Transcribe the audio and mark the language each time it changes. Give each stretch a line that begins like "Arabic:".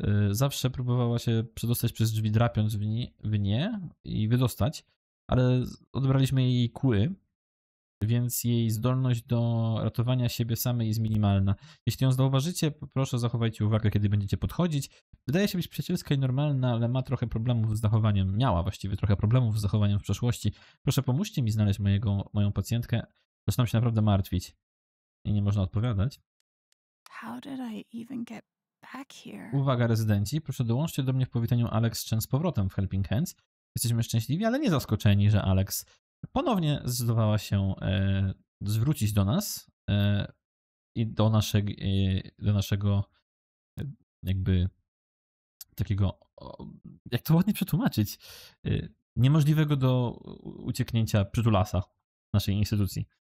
Polish: zawsze próbowała się przedostać przez drzwi, drapiąc w nie i wydostać, ale odebraliśmy jej kły, więc jej zdolność do ratowania siebie samej jest minimalna. Jeśli ją zauważycie, proszę zachowajcie uwagę, kiedy będziecie podchodzić. Wydaje się być przyjacielska i normalna, ale ma trochę problemów z zachowaniem, miała właściwie trochę problemów z zachowaniem w przeszłości. Proszę pomóżcie mi znaleźć moją pacjentkę. Zaczynam się naprawdę martwić i nie można odpowiadać.
English: How did I even get back here?
Polish: Uwaga, rezydenci, proszę dołączcie do mnie w powitaniu Alex Chen z powrotem w Helping Hands. Jesteśmy szczęśliwi, ale nie zaskoczeni, że Alex ponownie zdecydowała się zwrócić do nas i do naszego jakby takiego, jak to ładnie przetłumaczyć, niemożliwego do ucieknięcia przytulasa naszej instytucji.